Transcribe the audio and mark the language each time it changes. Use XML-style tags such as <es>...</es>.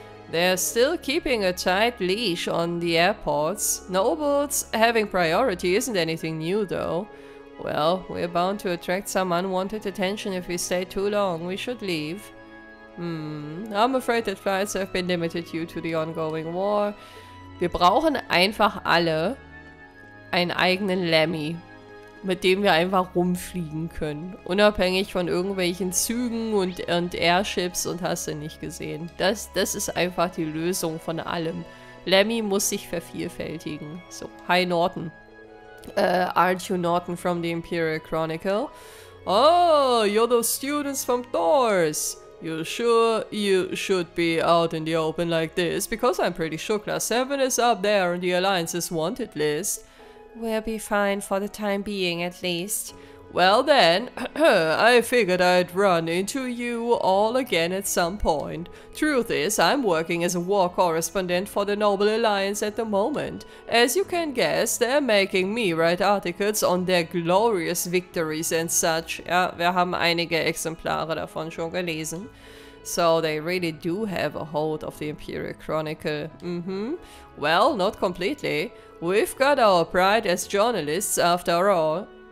<en>They're still keeping a tight leash on the airports. Nobles having priority isn't anything new, though. Well, we're bound to attract some unwanted attention if we stay too long. We should leave. I'm afraid that flights have been limited due to the ongoing war.</en> <de>Wir brauchen einfach alle einen eigenen Lemmy, mit dem wir einfach rumfliegen können. Unabhängig von irgendwelchen Zügen und Airships und hast du nicht gesehen. Das ist einfach die Lösung von allem. Lemmy muss sich vervielfältigen.</de> <en>So, hi Norton. Arthur Norton from the Imperial Chronicle. Oh, you're those students from Thor's. You sure you should be out in the open like this? Because I'm pretty sure Class 7 is up there on the Alliance's wanted list. We'll be fine for the time being, at least. Well then, I figured I'd run into you all again at some point. Truth is, I'm working as a war correspondent for the Noble Alliance at the moment. As you can guess, they're making me write articles on their glorious victories and such.</en> <de>Ja, wir haben einige Exemplare davon schon gelesen.</de> <en>So they really do have a hold of the Imperial Chronicle. Mm-hmm. Well, not completely. We've got our pride as journalists after all.</en>